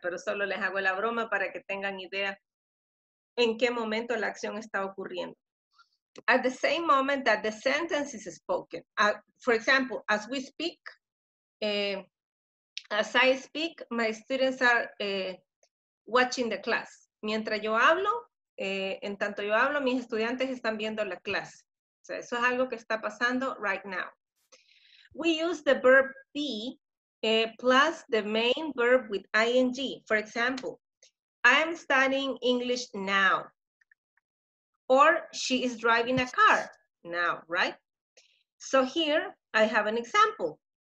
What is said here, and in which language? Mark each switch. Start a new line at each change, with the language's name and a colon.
Spanish: Pero solo les hago la broma para que tengan idea en qué momento la acción está ocurriendo.
English: At the same moment that the sentence is spoken. For example, as we speak, as I speak, my students are watching the class.
Spanish: Mientras yo hablo, en tanto yo hablo, mis estudiantes están viendo la clase. O sea, eso es algo que está pasando
English: right now. We use the verb be plus the main verb with ing. For example, I am studying English now. Or she is driving a car now, right? So here I have an example.